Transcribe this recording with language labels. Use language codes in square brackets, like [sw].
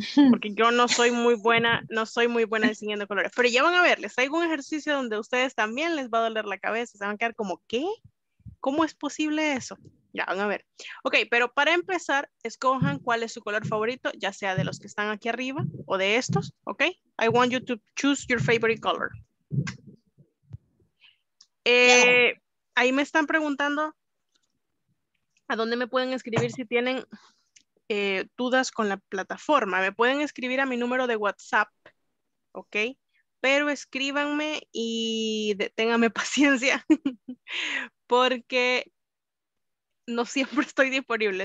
[es] Porque yo no soy muy buena, no soy muy buena distinguiendo colores. Pero ya van a ver, les traigo un ejercicio donde a ustedes también les va a doler la cabeza. Se van a quedar como, ¿qué? ¿Cómo es posible eso? Ya van a ver. Ok, pero para empezar, escojan cuál es su color favorito, ya sea de los que están aquí arriba o de estos, ¿ok? [en] I want you to choose your favorite color. [es] Ahí me están preguntando a dónde me pueden escribir si tienen dudas con la plataforma. Me pueden escribir a mi número de WhatsApp, ¿ok? Pero escríbanme y ténganme paciencia porque no siempre estoy disponible.